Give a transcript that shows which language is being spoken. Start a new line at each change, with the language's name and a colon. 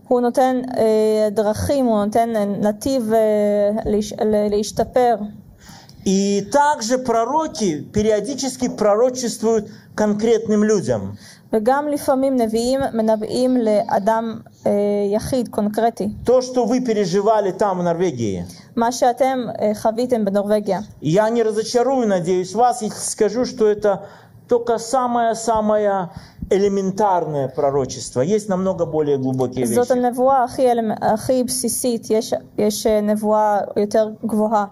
Hebrew: Он нотен драхим, он нотен натив лиштапер.
Russian: И также пророки периодически пророчествуют конкретным людям.
Hebrew: וגם לפעמים נביאים מנבאים לאדם יחיד, קונקרטי.
Russian: То, что вы переживали там, в Норвегии.
Hebrew: מה שאתם חוויתם בנורווגיה.
Russian: Я не разочарую, надеюсь, вас, и скажу, что это только самое-самое элементарное пророчество. Есть намного более глубокие вещи.